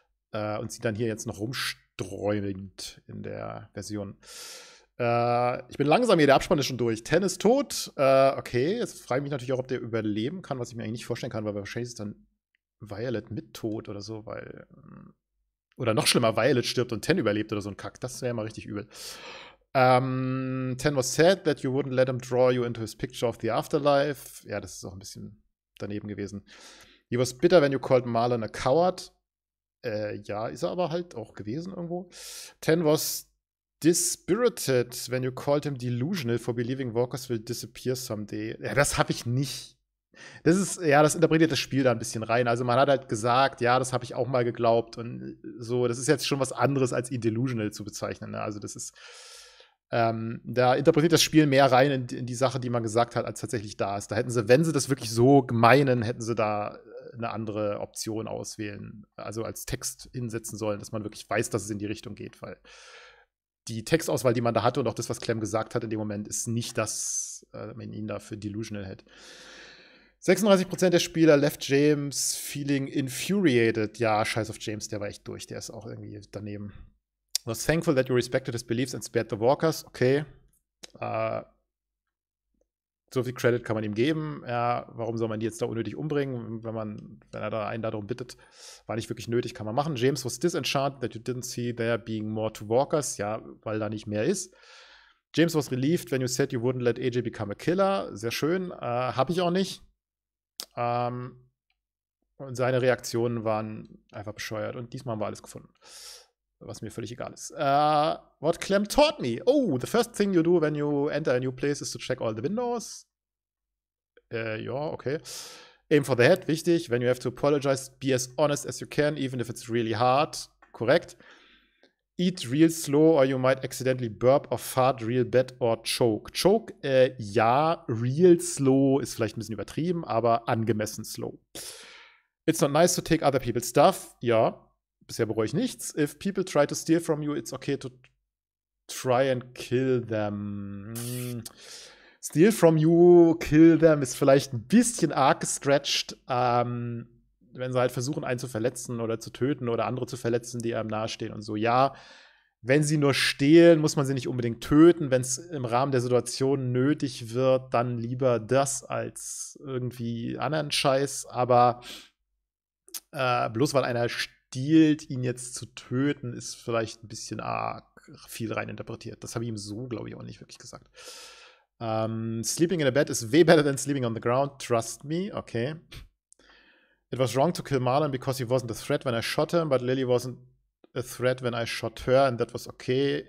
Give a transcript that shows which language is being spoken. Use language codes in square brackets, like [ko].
[de] Und sie dann hier jetzt noch rumsträumt in der Version. Ich bin langsam hier, der Abspann ist schon durch. Ten ist tot. Okay, jetzt frage ich mich natürlich auch, ob der überleben kann, was ich mir eigentlich nicht vorstellen kann, weil wahrscheinlich ist dann Violet mit tot oder so, weil... Oder noch schlimmer, Violet stirbt und Ten überlebt oder so ein Kack. Das wäre mal richtig übel. [en] Ten was sad that you wouldn't let him draw you into his picture of the afterlife. [de] Ja, das ist auch ein bisschen daneben gewesen. [en] He was bitter when you called Marlon a coward. [de] Ja, ist er aber halt auch gewesen irgendwo. [en] Ten was dispirited when you called him delusional for believing Walkers will disappear someday. [de] Ja, das habe ich nicht. Das ist, ja, das interpretiert das Spiel da ein bisschen rein. Also man hat halt gesagt, ja, das habe ich auch mal geglaubt und so. Das ist jetzt schon was anderes, als ihn delusional zu bezeichnen. Ne? Also das ist, da interpretiert das Spiel mehr rein in die Sache, die man gesagt hat, als tatsächlich da ist. Da hätten sie, wenn sie das wirklich so meinen, hätten sie da eine andere Option auswählen, also als Text hinsetzen sollen, dass man wirklich weiß, dass es in die Richtung geht, weil die Textauswahl, die man da hatte und auch das, was Clem gesagt hat in dem Moment, ist nicht das, wenn man ihn da für delusional hält. [en] 36% [de] der Spieler [en] left James feeling infuriated. [de] Ja, scheiß auf James, der war echt durch, der ist auch irgendwie daneben. [en] Was thankful that you respected his beliefs and spared the walkers. [de] Okay. So viel Credit kann man ihm geben. Ja, warum soll man die jetzt da unnötig umbringen, wenn er da einen darum bittet? War nicht wirklich nötig, kann man machen. [en] James was disenchanted that you didn't see there being more to walkers. [de] Ja, weil da nicht mehr ist. [en] James was relieved when you said you wouldn't let AJ become a killer. [de] Sehr schön. Hab ich auch nicht. Und seine Reaktionen waren einfach bescheuert. Und diesmal haben wir alles gefunden. Was mir völlig egal ist. [en] What Clem taught me. Oh, the first thing you do when you enter a new place is to check all the windows. [de] Ja, okay. [en] Aim for the head, [de] wichtig. [en] When you have to apologize, be as honest as you can, even if it's really hard. [de] Korrekt. [en] Eat real slow or you might accidentally burp or fart real bad or choke. [de] Choke, ja, [en] real slow [de] ist vielleicht ein bisschen übertrieben, aber angemessen slow. [en] It's not nice to take other people's stuff. [de] Ja. Bisher bereue ich nichts. [en] If people try to steal from you, it's okay to try and kill them. Steal from you, kill them, [de] ist vielleicht ein bisschen arg gestretched. Wenn sie halt versuchen, einen zu verletzen oder zu töten oder andere zu verletzen, die einem nahestehen und so. Ja, wenn sie nur stehlen, muss man sie nicht unbedingt töten. Wenn es im Rahmen der Situation nötig wird, dann lieber das als irgendwie anderen Scheiß. Aber bloß weil einer dealt, ihn jetzt zu töten, ist vielleicht ein bisschen arg viel reininterpretiert. Das habe ich ihm so, glaube ich, auch nicht wirklich gesagt. [en] Sleeping in a bed is way better than sleeping on the ground. Trust me. Okay. It was wrong to kill Marlon because he wasn't a threat when I shot him, but Lily wasn't a threat when I shot her and that was okay.